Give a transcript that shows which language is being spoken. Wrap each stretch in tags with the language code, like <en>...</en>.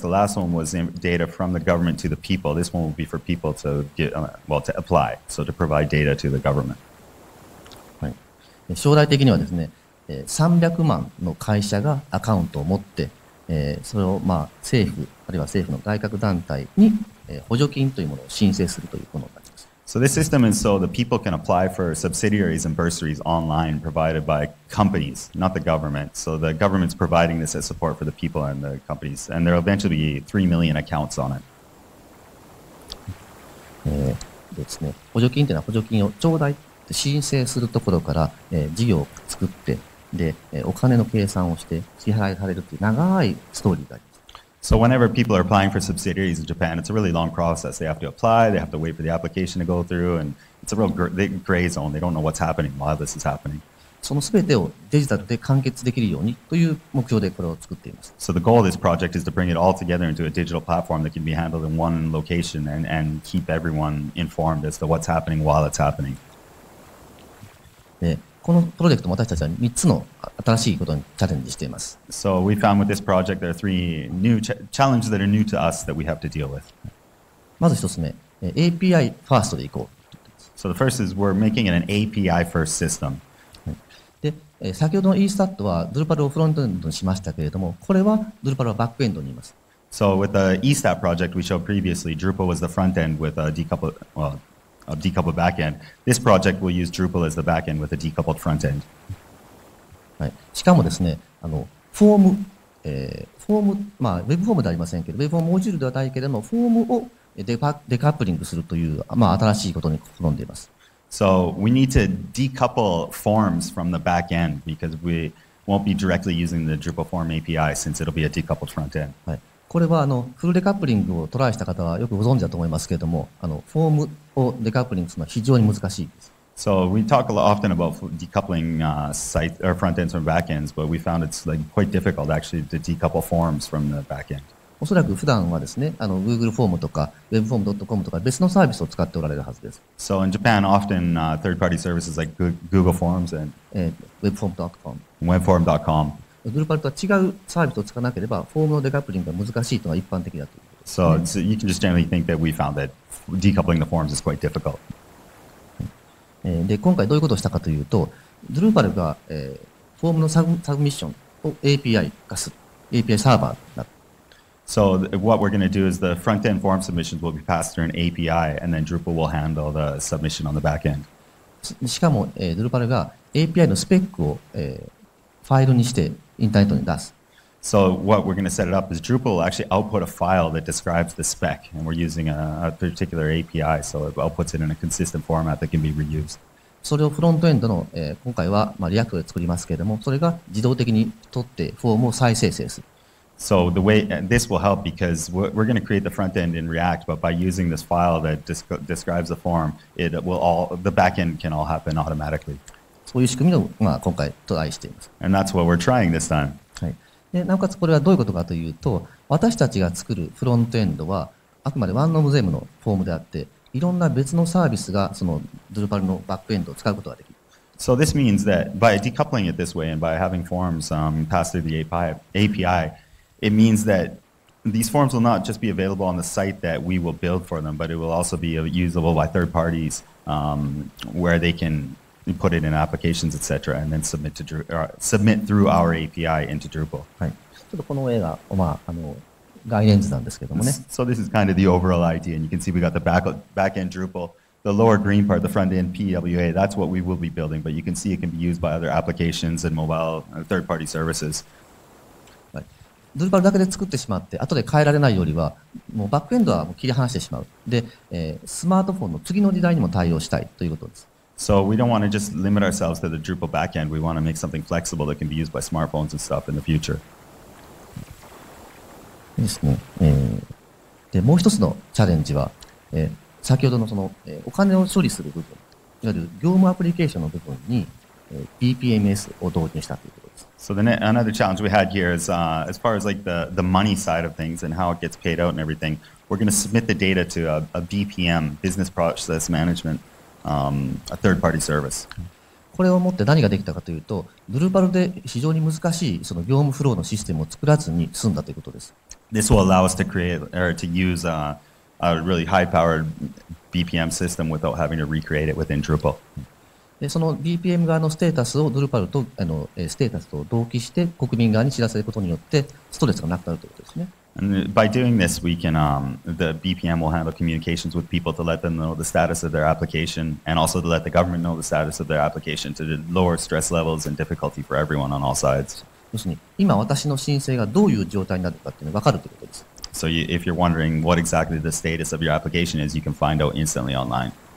<en>The last one was data from the government to the people. This one will be for people to get, well, to apply. So, to provide data to the government.</en> <ja>将来的にはですね、300万の会社がアカウントを持って、それをまあ政府、あるいは政府の外郭団体に補助金というものを申請するというものになります。</ja> <en>So this system is so the people can apply for subsidiaries and bursaries online provided by companies, not the government. So the government's providing this as support for the people and the companies. And there will eventually be 3 million accounts on it.</en> <ja>ですね、補助金というのは補助金を頂戴。申請するところから、事業を作って、で、お金の計算をして支払いされるという長いストーリーがあります。</ja> <en>So whenever people are applying for subsidiaries in Japan, it's a really long process. They have to apply, they have to wait for the application to go through, and it's a real gray zone. They don't know what's happening while this is happening.</en> <ja>その全てをデジタルで完結できるようにという目標でこれを作っています。</ja> <en>So the goal of this project is to bring it all together into a digital platform that can be handled in one location and keep everyone informed as to what's happening while it's happening.</en> <ja>でこのプロジェクト、私たちは3つの新しいことにチャレンジしています。</ja> <en>So we found with this project there are three new challenges that are new to us that we have to deal with.</en> <ja>まず1つ目、API ファーストでいこう。</ja> <en>So the first is we're making it an API first system.</en> <ja>で、先ほどの eStat は Drupal をフロントエンドにしましたけれども、これは Drupal はバックエンドにいます。</ja> <en>So with the eStat project we showed previously, Drupal was the front end with a decoupled, well,a decoupled backend. This project will use Drupal as the backend with a decoupled frontend.</en> <ja>はい。しかもですね、フォーム、フォーム、まあ、ウェブフォームではありませんけど、ウェブフォームモジュールではないけれども、フォームをデカップリングするという、まあ、新しいことに試んでいます。</ja> <en>So, we need to decouple forms from the backend because we won't be directly using the Drupal form API since it'll be a decoupled frontend.</en> <ja>はい。これはフルデカップリングをトライした方はよくご存知だと思いますけれども、フォームをデカップリングするのは非常に難しいです。</ja> <en>So we talk a lot often about decoupling site or front ends from back ends, but we found it's like quite difficult actually to decouple forms from the back end.</en> <ja>おそらく普段はですね、Google フォームとか Webform.com とか別のサービスを使っておられるはずです。</ja> <en>So in Japan, often third party services like Google Forms and Webform.com. Webform.com.</en> <ja>Drupal とは違うサービスを使わなければ、フォームのデカップリングが難しいというのは一般的だと。</ja> <en>So, you can just generally think that we found that decoupling the forms is quite difficult.</en> <ja>で、今回どういうことをしたかというと、Drupal が、フォームのサブミッションを API 化する、API サーバーになる。</ja> <en>So, what we're going to do is the front-end form submissions will be passed through an API, and then Drupal will handle the submission on the back-end.</en> <ja>しかも、Drupal が API のスペックを、ファイルにしてインターネットに出す。</ja> <en>So what we're going to set it up is Drupal will actually output a file that describes the spec and we're using a particular API so it outputs it in a consistent format that can be reused.</en> <ja>それをフロントエンドの、今回は、まあ、リアクトで作りますけれども、それが自動的に取ってフォームを再生成する。</ja> <en>So the way, this will help because we're going to create the front end in React but by using this file that describes the form, it will all, the back end can all happen automatically.</en> <ja>そういう仕組みを、まあ、今回トライしています。</ja> <en>And that's what we're trying this time.</en> <ja>はい。で、なおかつこれはどういうことかというと、私たちが作るフロントエンドは、あくまでワンオブゼムのフォームであって、いろんな別のサービスが、その、Drupal のバックエンドを使うことができる。</ja> <en>So this means that by decoupling it this way and by having forms passed through the API, it means that these forms will not just be available on the site that we will build for them, but it will also be usable by third parties where they canput it in applications, etc., and then submit to submit through our API into Drupal.</en> <ja>はい。ちょっとこの絵が、まあ、概念図なんですけどもね。</ja> <en>So this is kind of the overall idea, and you can see we got the back-end Drupal, the lower green part, the front-end PWA, that's what we will be building, but you can see it can be used by other applications and mobile third-party services.</en> <ja>はい。 Drupal だけで作ってしまって、後で変えられないよりは、もうバックエンドはもう切り離してしまう。で、スマートフォンの次の時代にも対応したいということです。</ja> <en>So we don't want to just limit ourselves to the Drupal backend. We want to make something flexible that can be used by smartphones and stuff in the future.</en> <ja>ですね。で、もう一つのチャレンジは、先ほどのその、お金を処理する部分、いわゆる業務アプリケーションの部分に、BPMS を導入したということです。</ja> <en>So the another challenge we had here is, as far as like the money side of things and how it gets paid out and everything, we're going to submit the data to a BPM, Business Process Management,a third party service.</en> <ja>これをもって何ができたかというと、Drupal で非常に難しいその業務フローのシステムを作らずに済んだということです。</ja> <en>This will allow us to create or to use a really high powered BPM system without having to recreate it within Drupal.</en> <ja>で、その BPM 側のステータスを Drupal とステータスと同期して国民側に知らせることによってストレスがなくなるということですね。</ja> <en>And by doing this, we can, the BPM will handle communications with people to let them know the status of their application and also to let the government know the status of their application to lower stress levels and difficulty for everyone on all sides.</en> <ja>要するに、今私の申請がどういう状態になるかっていうのが分かるということです。</ja> <en>So you, if you're wondering what exactly the status of your application is, you can find out instantly online.</en>